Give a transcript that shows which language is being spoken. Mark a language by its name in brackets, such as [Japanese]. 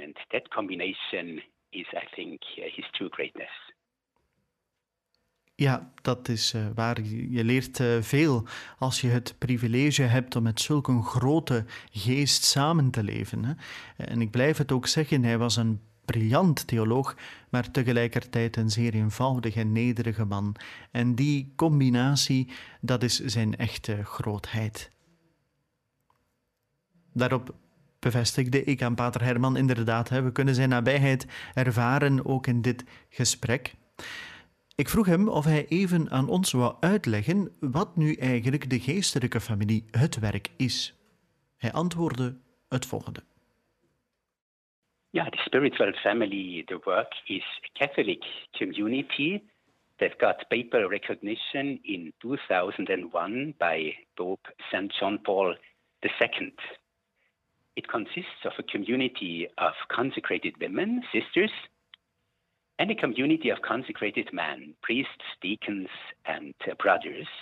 [English] And that combination is, I think, his true greatness. [Dutch] Ja, dat is waar. Je leert veel als je het privilege hebt om met zulk een grote geest samen te leven. Hè. En ik blijf het ook zeggen, hij was een briljant theoloog, maar tegelijkertijd een zeer eenvoudig en nederige man. En die combinatie, dat is zijn echte grootheid. Daarop bevestigde ik aan Pater Herman, inderdaad, hè, we kunnen zijn nabijheid ervaren, ook in dit gesprek. Ik vroeg hem of hij even aan ons wou uitleggen wat nu eigenlijk de geestelijke familie het werk is. Hij antwoordde het volgende. [English] Ja, the spiritual family, the work is a Catholic community that got papal recognition in 2001 by Pope St. John Paul II. It consists of a community of consecrated women, sisters, and a community of consecrated men, priests, deacons, and brothers.